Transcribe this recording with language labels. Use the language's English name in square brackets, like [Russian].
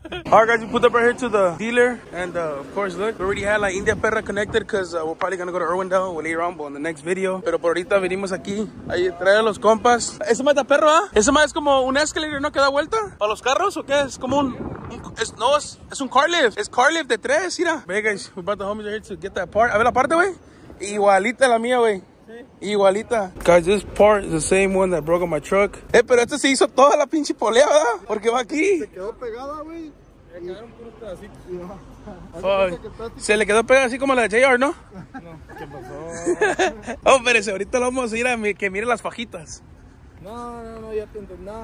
[English] Alright, guys, we put up right here to the dealer, and of course, look, we already had like India Perra connected, cause we're probably gonna go to Irwindale later on, but in the next video. [Spanish] Pero por ahorita venimos aquí, ahí trae a los compas. ¿Ese más da perro, ah? ¿Eh? ¿Ese más es como un escalator, no, que da vuelta? ¿Para los carros o qué? Es como es un car lift. Es car lift de 3, mira. [English] Ve, guys, we brought the homies right here to get that part. [Spanish] A ver la parte, wey. Igualita la mía, wey. Igualita. [English] Guys, this part is the same one that broke on my truck. [Spanish] Pero este se hizo toda la pinche polea, ¿verdad? Porque va aquí. Se quedó pegada, güey. Le quedaron puros pedacitos. [English] Fuck. [Spanish] Se le quedó pegada así como la de JR, ¿no? No. ¿Qué pasó? Oh, espérese, ahorita lo vamos a ir a que mire las fajitas. No, ya te entendí.